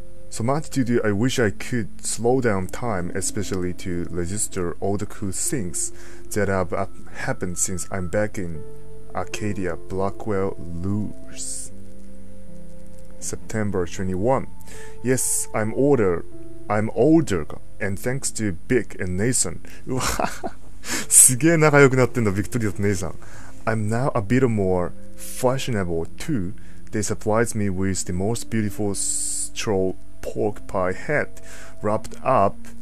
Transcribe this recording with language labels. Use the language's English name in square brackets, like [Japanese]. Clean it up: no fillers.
[English] So much to do, I wish I could slow down time, especially to register all the cool things that have happened since I'm back inArcadia Blackwell Luce. September 21. Yes, I'm older, and thanks to Vic and Nathan. [Japanese] すげえ仲良くなってんだ、ビクトリアとネイサン。 [English] I'm now a bit more fashionable too. They supplied me with the most beautiful straw pork pie hat wrapped up.